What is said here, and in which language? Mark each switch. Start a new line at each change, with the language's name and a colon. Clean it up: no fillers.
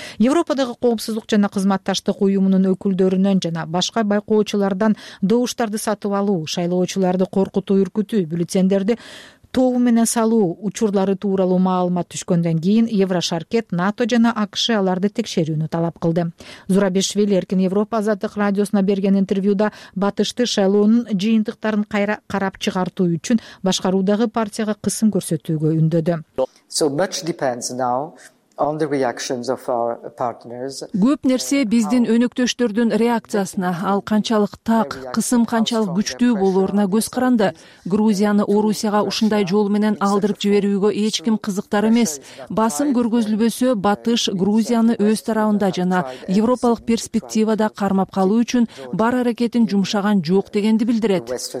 Kyrgyz: Европадагы коопсуздук жана кызматташтык уюмунун өкүлдөрүнөн жана башка байкоочулардан добуштарды сатып алуу, шайлоочуларды коркутуу, үркүтүү, бюллетендерди тобу менен салуу учурлары тууралуу маалымат түшкөндөн кийин Еврошаркет, НАТО жана АКШ аларды текшерүүнү талап кылды. Зурабишвили Эркин Европа Азаттык радиосуна берген интервьюда батышты шайлоонун жыйынтыктарын кайра карап чыгартуу үчүн башкаруудагы партияга кысым көрсөтүүгө үндөдү.
English: So much depends now on the reactions of our partners.
Kyrgyz: Көп нерсе биздин өнөктөштөрдүн реакциясына, ал канчалык так, кысым канчалык күчтүү болоруна көз каранды. Грузияны Орусияга ушундай жол менен алдырып жиберүүгө эч ким кызыктар эмес. Басым көргөзүлбөсө, батыш Грузияны өз тарабында жана европалык перспективада кармап калуу үчүн бар аракетин жумшаган жок дегенди билдирет.